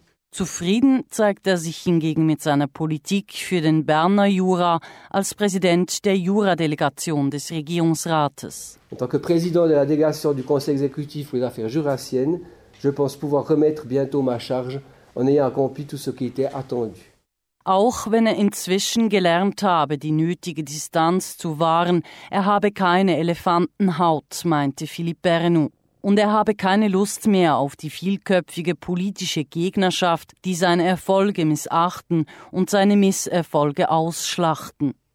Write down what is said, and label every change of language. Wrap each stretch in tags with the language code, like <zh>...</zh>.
<de>Zufrieden zeigt er sich hingegen mit seiner Politik für den Berner Jura als Präsident der Jura-Delegation des Regierungsrates.</de> <fr>En tant que président de la délégation du Conseil exécutif aux affaires jurassiennes, je pense pouvoir remettre bientôt ma charge.</fr> <de>Auch wenn er inzwischen gelernt habe, die nötige Distanz zu wahren, er habe keine Elefantenhaut, meinte Philippe Bechenu. Und er habe keine Lust mehr auf die vielköpfige politische Gegnerschaft, die seine Erfolge missachten und seine Misserfolge ausschlachten.</de>